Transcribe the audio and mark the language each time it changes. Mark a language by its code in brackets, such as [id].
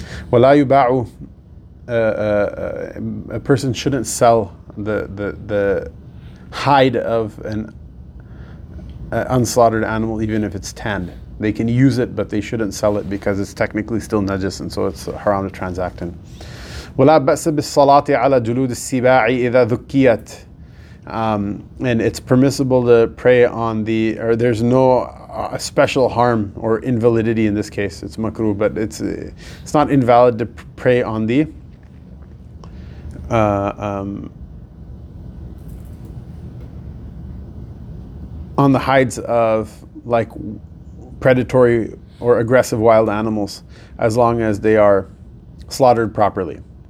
[ar] ولا يباع, [en] a person shouldn't sell the hide of an unslaughtered animal, even if it's tanned. They can use it, but they shouldn't sell it because it's technically still najis, and so it's haram to transact in. [ar] ولا بأس بالصلاة على جلود السباع إذا ذكيت. [en] And it's permissible to pray on the, or there's no special harm or invalidity in this case. It's makruh, but it's not invalid to pray on the on the hides of like predatory or aggressive wild animals, as long as they are slaughtered properly.